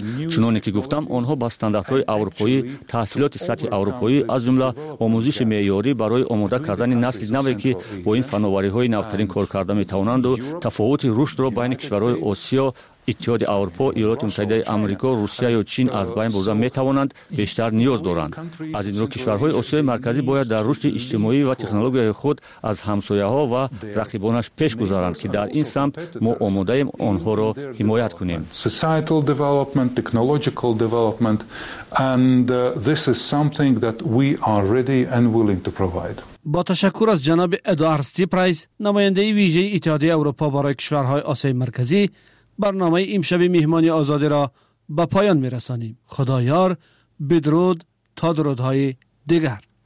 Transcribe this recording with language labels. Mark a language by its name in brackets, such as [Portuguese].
[Persian] چنانی که گفتم آنها با استانداردهای اروپایی، تحصیلات سطح اروپایی از جمله آموزش معیاری برای آماده کردن نسل نوی که با این فناوری های نوترین کار کرده میتوانند و تفاوت رشد را بین کشورهای آسیا، اتحاد اروپا، ایالات متحده آمریکا، روسیه یا چین از بین برده می توانند بیشتر نیاز دارند. از این رو کشورهای آسیای مرکزی باید در رشد اجتماعی و تکنولوژی خود از همسایه ها و رقیبانش پیش گذارند که در این سمت ما آماده ایم آنها را حمایت کنیم. [English] Societal development, technological development, and this is something that we are ready and willing to provide. [Persian] با تشکر از جناب ادوارد استیپرایز، نماینده ویژه اتحاد اروپا برای کشورهای آسیای مرکزی، برنامه امشب مهمانی آزادی را به پایان می رسانیم. خدا یار، بدرود تا درودهای دیگر.